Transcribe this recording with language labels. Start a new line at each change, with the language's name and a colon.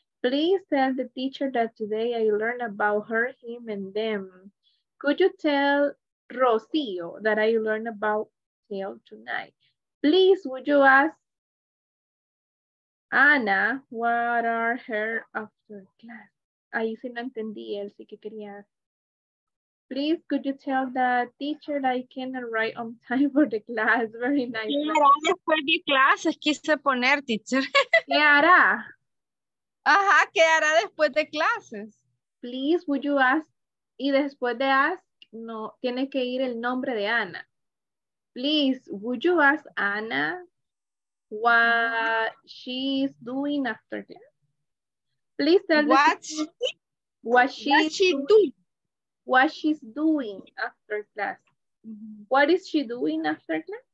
English: Please tell the teacher that today I learned about her, him, and them. Could you tell Rocio that I learned about till tonight. Please, would you ask Ana what are her after class?
Spanish: Ahí sí lo entendí, él sí que quería.
English: Please, could you tell the teacher that I cannot write on time for the class? Very nice.
Spanish: ¿Qué hará después de clases? Quise poner, teacher. ¿Qué hará? Ajá, ¿qué hará después de clases?
English: Please, would you ask?
Spanish: Y después de ask, no, tiene que ir el nombre de Ana.
English: Please, would you ask Ana what she's doing after class? Please tell me what she's doing after class. Mm-hmm. What is she doing after class?